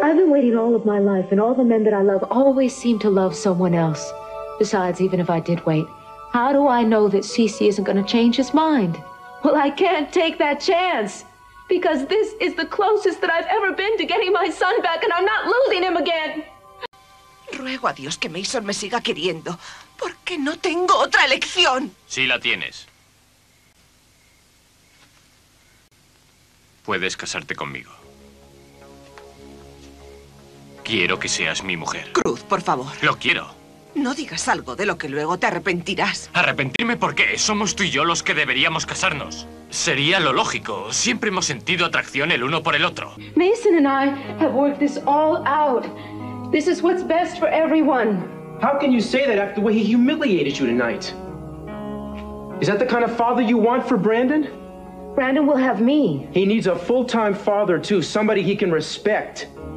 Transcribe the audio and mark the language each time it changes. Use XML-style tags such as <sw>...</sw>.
<en>dating all of my life, and all the men that I love always seem to love someone else. Besides, even if I did wait, how do I know that CeCe isn't going to change his mind? Well, I can't take that chance, because this is the closest that I've ever been to getting my son back, and I'm not losing him again.</en> <es>Ruego a Dios que Mason me siga queriendo, porque no tengo otra elección. Sí la tienes. Puedes casarte conmigo. Quiero que seas mi mujer. Cruz, por favor. Lo quiero. No digas algo de lo que luego te arrepentirás. ¿Arrepentirme por qué? Somos tú y yo los que deberíamos casarnos. Sería lo lógico. Siempre hemos sentido atracción el uno por el otro.</es> <en>Mason and I have worked this all out. This is what's best for everyone. How can you say that after the way he humiliated you tonight? Is that the kind of father you want for Brandon? Brandon will have me. He needs a full-time father too, somebody he can respect.</en>